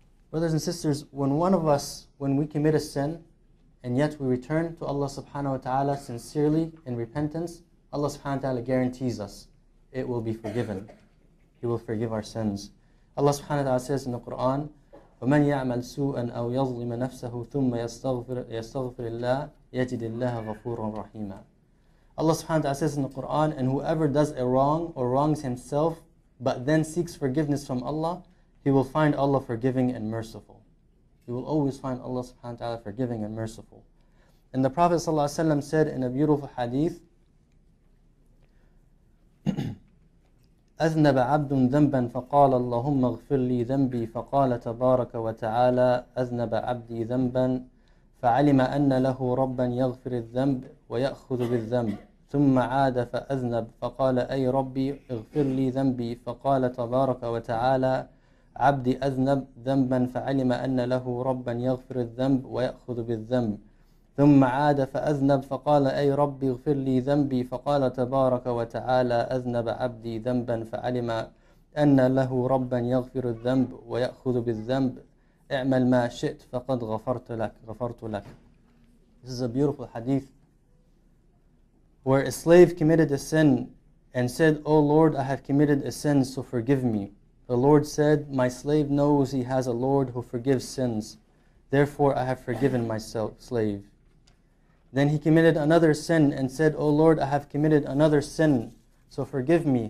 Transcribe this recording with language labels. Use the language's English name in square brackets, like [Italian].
[English] Brothers and sisters, when one of us, when we commit a sin, and yet we return to Allah subhanahu wa ta'ala sincerely in repentance, Allah subhanahu wa ta'ala guarantees us it will be forgiven. He will forgive our sins. Allah subhanahu wa ta'ala says in the Quran, [Arabic] وَمَنْ يَعْمَلْ سُوءًا أَوْ يَظْلِمَ نَفْسَهُ ثُمَّ يَسْتَغْفِرِ اللَّهِ يَجِدِ اللَّهَ غَفُورًا رَحِيمًا. [English] Allah subhanahu wa ta'ala says in the Quran, and whoever does a wrong or wrongs himself, but then seeks forgiveness from Allah, he will find Allah forgiving and merciful. He will always find Allah subhanahu wa ta'ala forgiving and merciful. And the Prophet sallallahu alayhi wa sallam said in a beautiful hadith, [Arabic] أذنب عبد ذنبا فقال اللهم اغفر لي ذنبي فقال تبارك وتعالى أذنب عبدي ذنبا فعلم أن له ربا يغفر الذنب ويأخذ بالذنب ثم عاد فأذنب فقال أي ربي اغفر لي ذنبي فقال تبارك وتعالى عبدي أذنب ذنبا فعلم أن له ربا يغفر الذنب ويأخذ بالذنب ثم عاد فأذنب فقال أي ربي اغفر لي ذنبي فقال تبارك وتعالى أذنب عبدي ذنبا فعلم أن له ربا يغفر الذنب ويأخذ بالذنب اعمل ما شئت فقد غفرت لك غفرت لك. [English] This is a beautiful hadith where a slave committed a sin and said, O Lord, I have committed a sin, so forgive me. The Lord said, my slave knows he has a Lord who forgives sins. Therefore, I have forgiven my slave. Then he committed another sin and said, O Lord, I have committed another sin, so forgive me.